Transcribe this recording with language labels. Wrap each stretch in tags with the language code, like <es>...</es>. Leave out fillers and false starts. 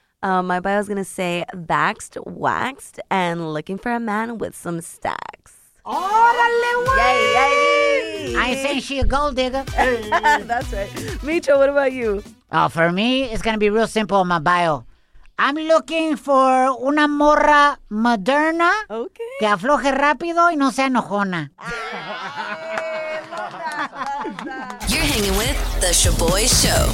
<en>My bio is going to say, vaxxed, waxed, and looking for a man with some stacks.</en> <es>Órale, wey! Yay, yay!</es> <en>I ain't saying she a gold digger. That's right. Micho, what about you? Oh, for me, it's going to be real simple on my bio. I'm looking for</en> <es>una morra Moderna.</es> <en>Okay.</en> <es>Que afloje rápido y no sea enojona.</es> <en>You're hanging with the Shaboy Show.</en>